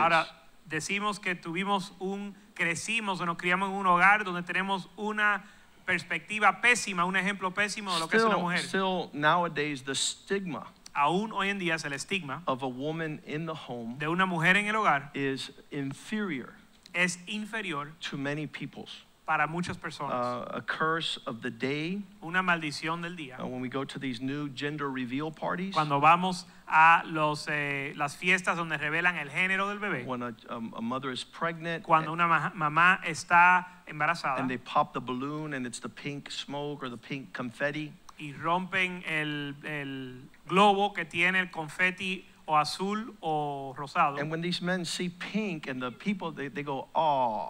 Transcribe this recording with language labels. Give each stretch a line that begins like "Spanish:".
Spanish: Ahora, decimos que crecimos o nos criamos en un hogar donde tenemos una perspectiva pésima, un ejemplo pésimo de lo que es una mujer.
English: Still nowadays the stigma.
Spanish: Aún hoy en día es el estigma
English: of a woman in the home
Spanish: de una mujer en el hogar
English: is inferior.
Spanish: Es inferior
English: to many peoples.
Spanish: Para muchas personas.
English: A curse of the day.
Spanish: Una maldición del día.
English: When we go to these new gender reveal parties.
Spanish: Cuando vamos a los las fiestas donde revelan el género del bebé.
English: When a mother is pregnant.
Spanish: Cuando una mamá está embarazada.
English: And they pop the balloon and it's the pink smoke or the pink confetti.
Spanish: Y rompen el globo que tiene el confeti o azul o rosado.
English: And when these men see pink and the people, they go, oh.